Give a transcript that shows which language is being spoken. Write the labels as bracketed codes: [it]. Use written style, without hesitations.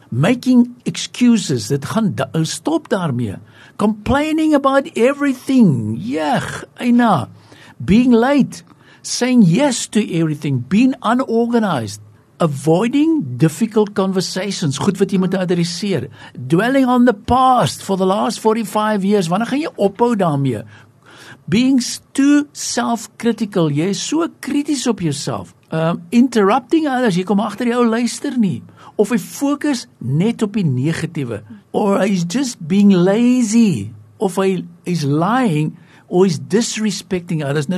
[en] Making excuses. [af] Dit gaan stop daarmee. [en] Complaining about everything. Yeah, I know. Being late. Saying yes to everything. Being unorganized. Avoiding difficult conversations. [af] Goed wat jy moet adresseer. [en] Dwelling on the past for the last 45 years. [af] Wanneer gaan jy ophou daarmee? [en] Being too self-critical. [af] Jy is so krities op jouself. [en] Interrupting others, [af] jy kom agter jou luister nie, of hy fokus net op die negatiewe, [en] or he's just being lazy, [af] of hy is lying, [en] or he's disrespecting others.